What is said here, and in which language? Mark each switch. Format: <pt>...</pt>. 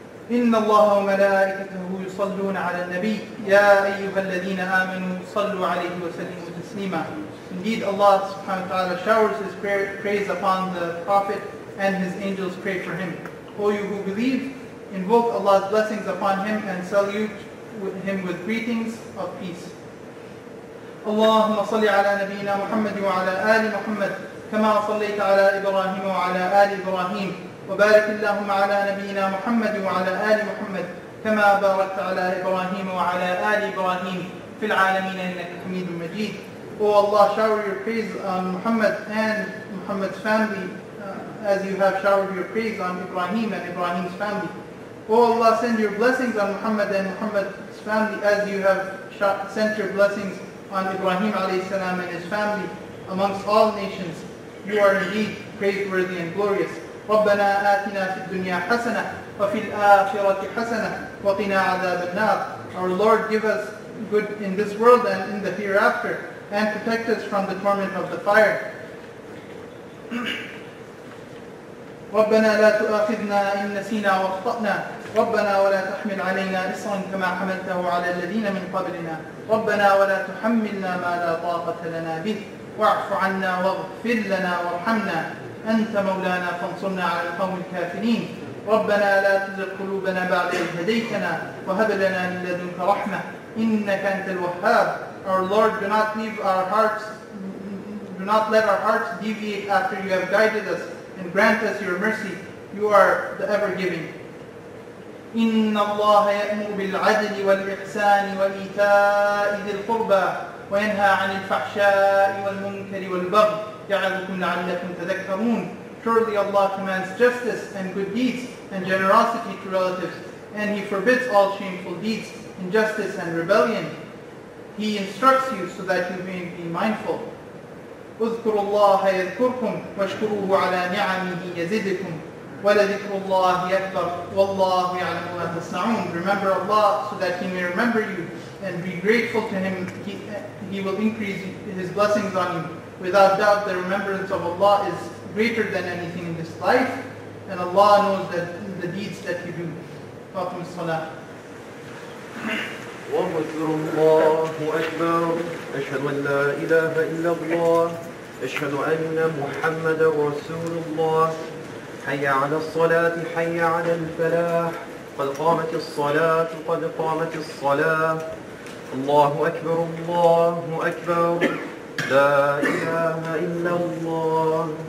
<ar>إِنَّ اللَّهَ وَمَلَائِكَتَهُ يُصَلُّونَ عَلَى النَّبِيِّ يَا أَيُّهَا الَّذِينَ آمِنُوا صَلُّوا عَلَيْهِ وَسَلِّمُوا تَسْلِيمًا.</ar> <en>Indeed, Allah subhanahu wa ta'ala showers His praise upon the Prophet, and His angels pray for him. O you who believe, invoke Allah's blessings upon him and salute him with greetings of peace.</en> <ar>اللهم صل على نبينا محمد وعلى آل محمد كما صليت على إبراهيم وعلى آل إبراهيم وبارك اللهم على نبينا محمد وعلى آل محمد كما باركت على إبراهيم وعلى آل إبراهيم في العالمين إنك حميد مجيد.</ar> <en>O Allah, shower your praise on Muhammad and Muhammad's family as you have showered your praise on Ibrahim and Ibrahim's family. O Allah, send your blessings on Muhammad and Muhammad's family as you have sent your blessings on Ibrahim alayhi salam and his family amongst all nations. You are indeed praiseworthy and glorious.</en> <ar>ربنا آتنا في الدنيا حسنة وفي الآخرة حسنة وقنا عذاب النار.</ar> <en>Our Lord, give us good in this world and in the hereafter, and protect us from the torment of the fire.</en> <ar>ربنا لا تؤاخذنا إن نسينا وأخطأنا. ربنا ولا تحمل علينا إصرا كما حملته على الذين من قبلنا. ربنا ولا تحملنا ما لا طاقة لنا به. واعف عنا واغفر لنا وارحمنا. أنت مولانا فانصرنا على القوم الكافرين. ربنا لا تزغ قلوبنا بعد إذ هديتنا وهب لنا من لدنك رحمة إنك أنت الوهاب.</ar> <en>our Lord, do not leave our hearts, do not let our hearts deviate after you have guided us and grant us your mercy. You are the ever-giving.</en> <ar>إِنَّ اللَّهَ يَأْمُرُ بِالْعَدْلِ وَالْإِحْسَانِ وَإِيتَاءِ ذِي الْقُرْبَى وَيَنْهَى عَنِ الْفَحْشَاءِ وَالْمُنكَرِ وَالْبَغْيِ يَعِظُكُمْ لَعَلَّكُمْ تَذَكَّرُونَ.</ar> <en>Surely Allah commands justice and good deeds and generosity to relatives, and He forbids all shameful deeds, injustice and rebellion. He instructs you so that you may be mindful.</en> <ar>اذكروا الله يذكركم واشكروه على نعمه يزدكم ولذكر الله أكبر والله يعلم ما تصنعون.</ar> <en>Remember Allah so that He may remember you, and be grateful to Him, He will increase His blessings on you. Without doubt, the remembrance of Allah is greater than anything in this life, and Allah knows that the deeds that you do.</en> <ar>Aqim as-salah. واذكر الله أكبر أشهد أن لا إله إلا الله أشهد أن محمد رسول الله حي على الصلاة حي على الفلاح قد قامت الصلاة قد قامت الصلاة الله أكبر الله أكبر لا إله إلا الله.</ar>